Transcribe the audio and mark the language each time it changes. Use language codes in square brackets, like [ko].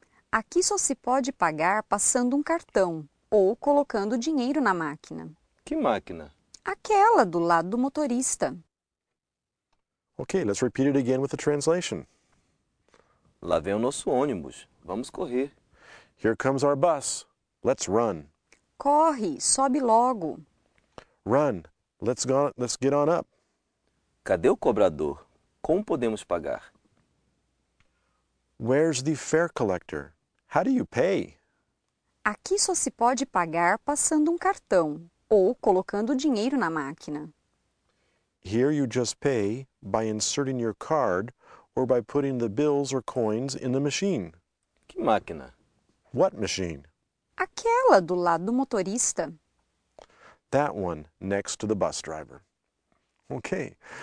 [pt] Aqui só se pode pagar passando um cartão ou colocando dinheiro na máquina. Que máquina? Aquela do lado do motorista. [en] Okay, let's repeat it again with the translation. [pt] Lá vem o nosso ônibus. Vamos correr. [en] Here comes our bus. Let's run. [pt] Corre, sobe logo. [en] Run. Let's get on up. [pt] Cadê o cobrador? Como podemos pagar? [en] Where's the fare collector? How do you pay? [pt] Aqui só se pode pagar passando um cartão ou colocando dinheiro na máquina. [en] Here you just pay by inserting your card or by putting the bills or coins in the machine. [pt] Que máquina? [en] What machine? [pt] Aquela do lado do motorista. [en] That one next to the bus driver. Okay.